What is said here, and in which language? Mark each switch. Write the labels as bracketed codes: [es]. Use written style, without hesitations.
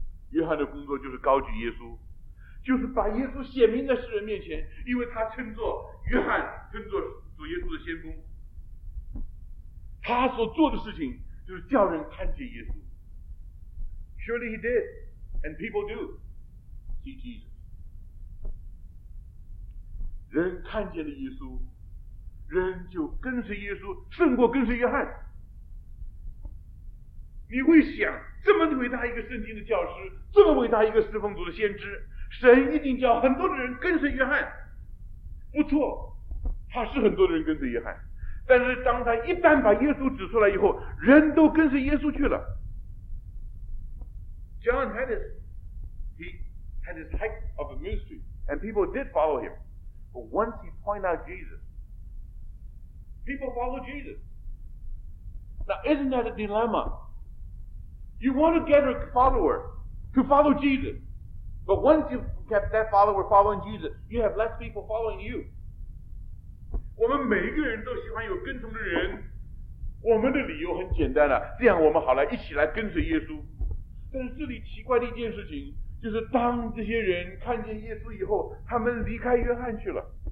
[zh] 约翰的工作就是高举耶稣。就是把耶稣显明在世人面前, 因为他称作约翰, 称作主耶稣的先锋。他所做的事情, 就是叫人看见耶稣。 [en] Surely he did, and people do see Jesus. [zh] 人看见了耶稣, 人就跟随耶稣, 胜过跟随约翰。你会想, 这么伟大一个圣经的教师, 这么伟大一个侍奉主的先知, 神一定叫很多的人跟随约翰。不错, 他是很多的人跟随约翰。但是当他一旦把耶稣指出来以后, 人都跟随耶稣去了。 [en] John had his height of the ministry, and people did follow him. But once he pointed out Jesus, people followed Jesus. Now, isn't that a dilemma? You want to get a follower to follow Jesus, but once you kept that follower following Jesus, you have less people following you. [zh] 我们每一个人都喜欢有跟从的人, 我们的理由很简单啊, 这样我们好来一起来跟随耶稣。但是这里奇怪的一件事情, 就是当这些人看见耶稣以后, 他们离开约翰去了。